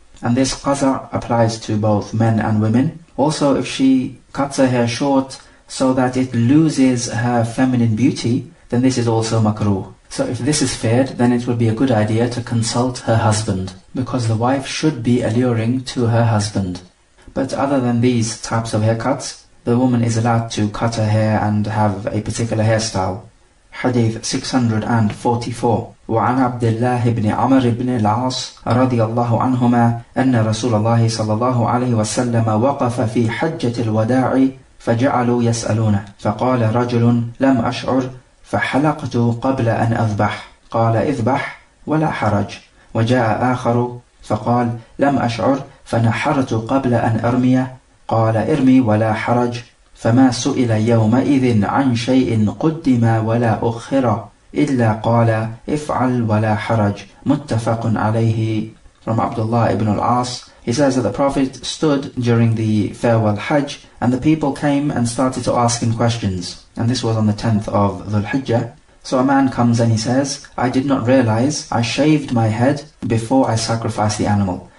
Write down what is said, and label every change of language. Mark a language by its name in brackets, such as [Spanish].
[English] And this qaza applies to both men and women. Also, if she cuts her hair short so that it loses her feminine beauty, then this is also makruh. So if this is feared, then it would be a good idea to consult her husband, because the wife should be alluring to her husband. But other than these types of haircuts, the woman is allowed to cut her hair and have a particular hairstyle. Hadith 644. [Arabic] وعن عبد الله بن عمر بن العاص رضي الله عنهما أن رسول الله صلى الله عليه وسلم وقف في حجة الوداع فجعلوا يسألونه فقال رجل لم أشعر فحلقت قبل أن أذبح قال اذبح ولا حرج وجاء آخر فقال لم أشعر فنحرت قبل أن أرمي قال ارمي ولا حرج فما سئل يومئذ عن شيء قدم ولا أخر إلا قال افعل ولا حرج متفق عليه. [English] From Abdullah ibn al-As, he says that the Prophet stood during the farewell Hajj and the people came and started to ask him questions. And this was on the 10th of Dhul-Hijjah. So a man comes and he says, I did not realize I shaved my head before I sacrificed the animal.